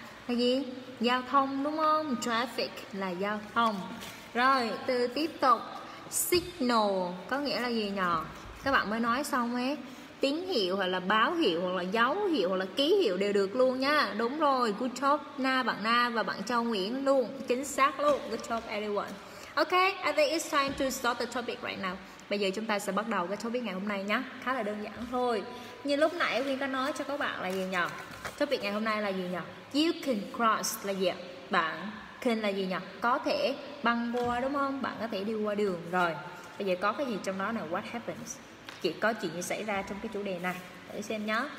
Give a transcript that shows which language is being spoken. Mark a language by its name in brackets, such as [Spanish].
[Vietnamese] Là gì? Giao thông đúng không? Traffic là giao thông. Rồi từ tiếp tục. Signal có nghĩa là gì nhỉ? Các bạn mới nói xong ấy. Tín hiệu hoặc là báo hiệu hoặc là dấu hiệu hoặc là ký hiệu đều được luôn nha. Đúng rồi, [English] good job [Vietnamese] Na, bạn Na và bạn Châu Nguyễn luôn. Chính xác luôn, [English] good job everyone. Ok, I think it's time to start the topic right now. [Vietnamese] Bây giờ chúng ta sẽ bắt đầu cái topic ngày hôm nay nhé. Khá là đơn giản thôi. Như lúc nãy Quyên có nói cho các bạn là gì nhỉ? Topic ngày hôm nay là gì nhỉ? You can cross là gì ạ? Bạn can là gì nhỉ? Có thể băng qua đúng không? Bạn có thể đi qua đường. Rồi, bây giờ có cái gì trong đó nè? [English] What happens? [Vietnamese] Chỉ có chuyện gì xảy ra trong cái chủ đề này. Để xem nhé.